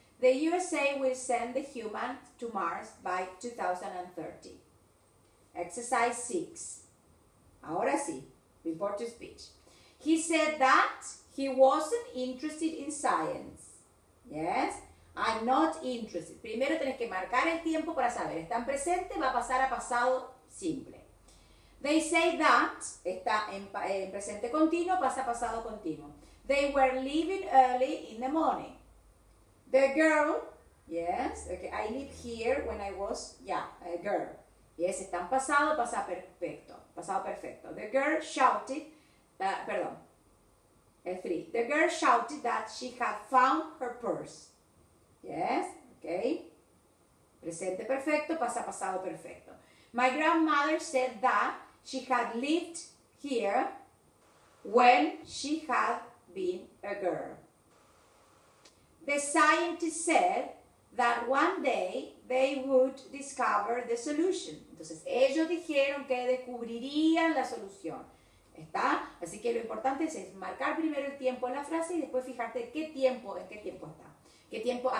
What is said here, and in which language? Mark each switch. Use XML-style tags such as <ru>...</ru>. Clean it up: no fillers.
<en>The USA will send the human to Mars by 2030. Exercise six.</en> <es>Ahora sí.</es> <en>Report to speech. He said that he wasn't interested in science. Yes? I'm not interested.</en> <es>Primero tenés que marcar el tiempo para saber. Está en presente, va a pasar a pasado simple.</es> <en>They say that,</en> <es>está en presente continuo, pasa a pasado continuo.</es> <en>They were leaving early in the morning. The girl, yes, okay, I lived here when I was, yeah, a girl.</en> <es>Yes, está en pasado, pasado perfecto.</es> <en>The girl shouted,</en> <es>perdón, three.</es> <en>The girl shouted that she had found her purse. Yes, okay.</en> <es>Presente perfecto, pasa pasado perfecto.</es> <en>My grandmother said that she had lived here when she had been a girl. The scientist said that one day they would discover the solution.</en> <es>Entonces, ellos dijeron que descubrirían la solución. ¿Está? Así que lo importante es marcar primero el tiempo en la frase y después fijarte qué tiempo está.</es>